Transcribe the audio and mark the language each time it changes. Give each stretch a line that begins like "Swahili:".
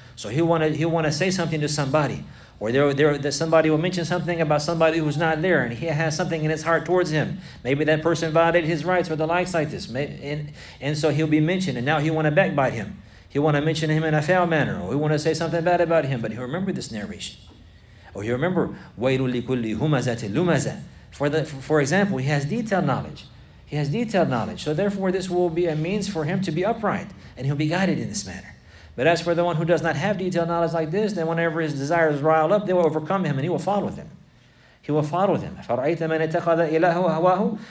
English: So he'll want to say something to somebody. Or that somebody will mention something about somebody who's not there and he has something in his heart towards him. Maybe that person violated his rights or the likes like this. And so he'll be mentioned and now he'll want to backbite him. He'll want to mention him in a foul manner. Or he'll want to say something bad about him. But he'll remember this narration. Or he'll remember,
Arabic: وَيْلُ لِكُلِّ هُمَزَةِ لُمَزَةِ.
English: For example, he has detailed knowledge. He has detailed knowledge. So therefore, this will be a means for him to be upright, and he'll be guided in this manner. But as for the one who does not have detailed knowledge like this, then whenever his desires rile up, they will overcome him, and he will follow them. He will follow them.
Arabic: فَرَأَيْتَ مَنْ اتَّخَذَ إِلَهُ هَوَاهُ.